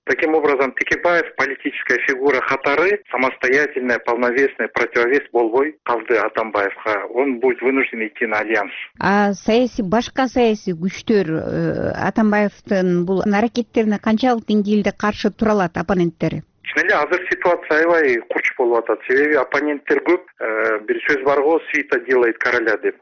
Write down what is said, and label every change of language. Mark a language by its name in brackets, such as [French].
[Russian] Таким образом, Текебаев политическая фигура [Kyrgyz] катары [Russian] самостоятельная полновесная противовес [Kyrgyz] болбой калды Атамбаевга. [Russian] Он будет вынужден идти на альянс. [Kyrgyz] А саясий, башка саясий күчтөр Атамбаевдын бул аракеттерине канчалык деңгээлде каршы тура алат оппоненттери? Чын эле азыр ситуация аябай курч болуп атат. Себеби оппоненттер көп. Бир сөз бар го, [Russian] свита делает короля [Kyrgyz] деп.